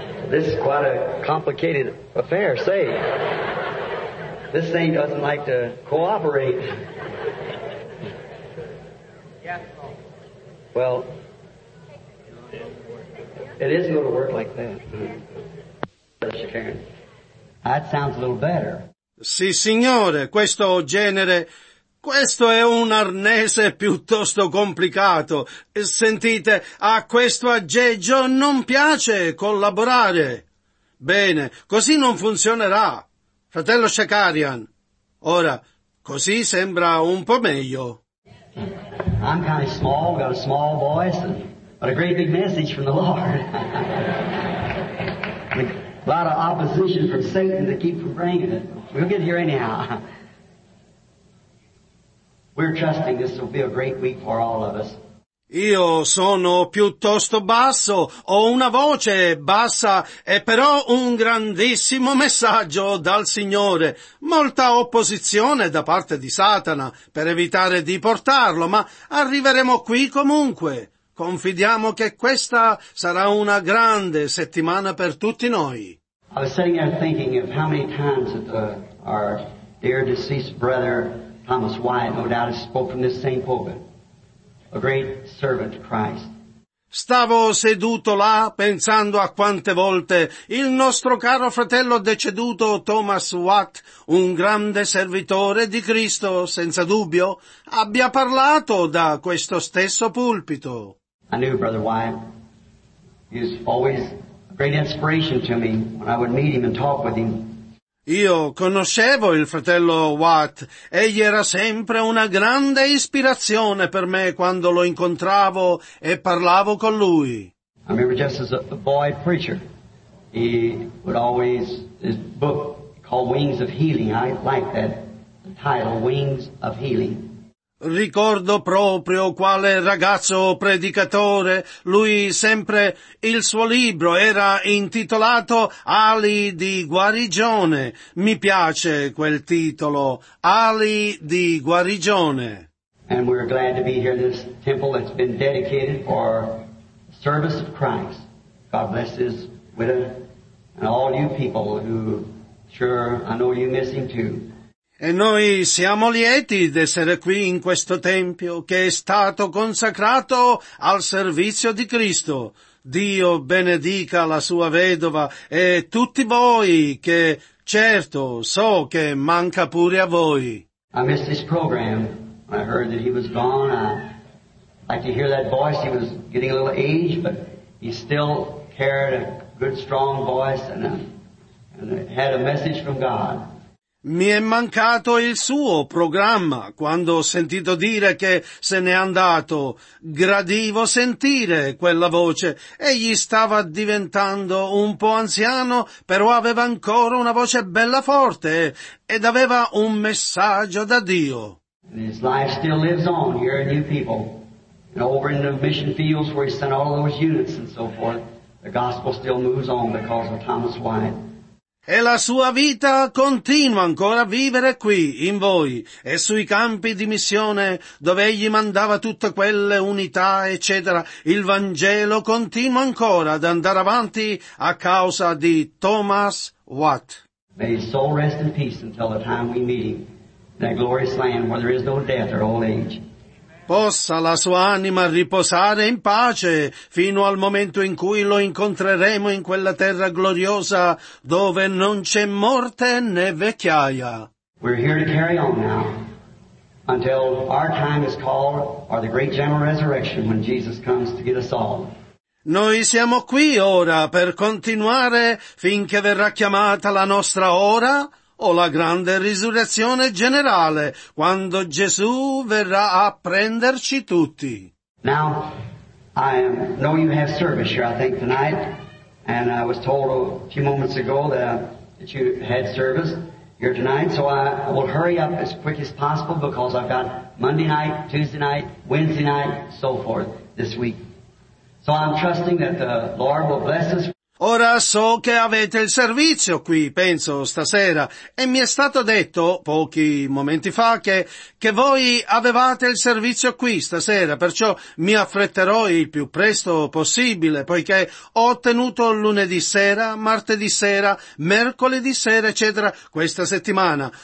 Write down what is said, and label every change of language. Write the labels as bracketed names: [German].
[English] This is quite a complicated affair, say. This thing doesn't like to cooperate. Well, it is going to work like that. That sounds a little better. [Italian] Sì, signore, questo genere... Questo è un arnese piuttosto complicato. Sentite, a questo aggeggio non piace collaborare. Bene, così non funzionerà. Fratello Shakarian, ora, così sembra un po' meglio. [English] I'm kind of small, got a small voice, but a great big message from the Lord. A lot of opposition from Satan to keep from bringing it. We'll get here anyhow. We're trusting this will be a great week for all of us. [Italian] Io sono piuttosto basso, ho una voce bassa, e però un grandissimo messaggio dal Signore. Molta opposizione da parte di Satana per evitare di portarlo, ma arriveremo qui comunque. Confidiamo che questa sarà una grande settimana per tutti noi. [English] I was sitting there thinking of how many times our dear deceased brother Thomas Wyatt, no doubt, has spoken from this same pulpit, a great servant to Christ. [Italian] Stavo seduto là pensando a quante volte il nostro caro fratello deceduto Thomas Watt, un grande servitore di Cristo, senza dubbio, abbia parlato da questo stesso pulpito. [English] I knew Brother Wyatt. He was always a great inspiration to me when I would meet him and talk with him. [Italian] Io conoscevo il fratello Watt, egli era sempre una grande ispirazione per me quando lo incontravo e parlavo con lui. [English] I remember just as a boy preacher, he would always, his book called Wings of Healing, I like that the title, Wings of Healing. [Italian] Ricordo proprio quale ragazzo predicatore, lui sempre, il suo libro era intitolato Ali di guarigione. Mi piace quel titolo, Ali di guarigione. [English] And we're glad to be here in this temple that's been dedicated for the service of Christ. God bless his widow and all you people who, sure, I know you miss him too. [Italian] E noi siamo lieti d'essere qui in questo tempio che è stato consacrato al servizio di Cristo. Dio benedica la sua vedova e tutti voi che, certo, so che manca pure a voi. [English] I missed this program. When I heard that he was gone, I liked to hear that voice. He was getting a little age, but he still carried a good, strong voice and had a message from God. [Italian] Mi è mancato il suo programma quando ho sentito dire che se n'è andato. Gradivo sentire quella voce. Egli stava diventando un po' anziano, però aveva ancora una voce bella forte ed aveva un messaggio da Dio. [English] And his life still lives on here in New People. And over in the mission fields where he sent all those units and so forth, the gospel still moves on because of Thomas Wyatt. [Italian] E la sua vita continua ancora a vivere qui, in voi, e sui campi di missione, dove egli mandava tutte quelle unità, eccetera. Il Vangelo continua ancora ad andare avanti a causa di Thomas Watt. [English] May his soul rest in peace until the time we meet him, that glorious land where there is no death or old age. [Italian] Possa la sua anima riposare in pace fino al momento in cui lo incontreremo in quella terra gloriosa dove non c'è morte né vecchiaia. [English] We're here to carry on now until our time is called or the great general resurrection when Jesus comes to get us all. [Italian] Noi siamo qui ora per continuare finché verrà chiamata la nostra ora o la grande risurrezione generale, quando Gesù verrà a prenderci tutti. [English] Now, I know you have service here, I think, tonight, and I was told a few moments ago that you had service here tonight, so I will hurry up as quick as possible because I've got Monday night, Tuesday night, Wednesday night, so forth this week. So I'm trusting that the Lord will bless us. [Italian] Ora so che avete il servizio qui, penso, stasera, e mi è stato detto pochi momenti fa che voi avevate il servizio qui stasera, perciò mi affretterò il più presto possibile, poiché ho tenuto lunedì sera, martedì sera, mercoledì sera, eccetera, questa settimana.